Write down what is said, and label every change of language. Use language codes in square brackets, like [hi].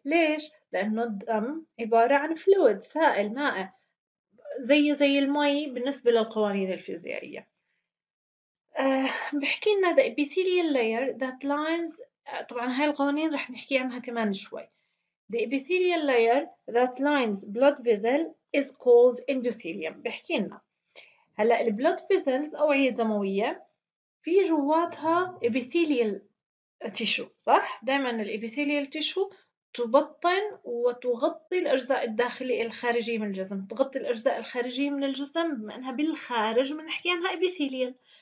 [ar] ليش؟ لانه الدم عبارة عن فلويد، سائل، مائع، زي المي بالنسبة للقوانين الفيزيائية. بحكي لنا [en] the epithelial layer that lines، [ar] طبعا هاي القوانين رح نحكي عنها كمان شوي. [en] the epithelial layer that lines blood vessel is called endothelium. [ar] بحكي لنا هلا ال blood vessels، أوعية دموية، في جواتها epithelial tissue، صح؟ دائماً epithelial tissue تبطن وتغطي الأجزاء الداخلية الخارجية من الجسم، تغطي الأجزاء الخارجية من الجسم بما أنها بالخارج بنحكي عنها epithelial.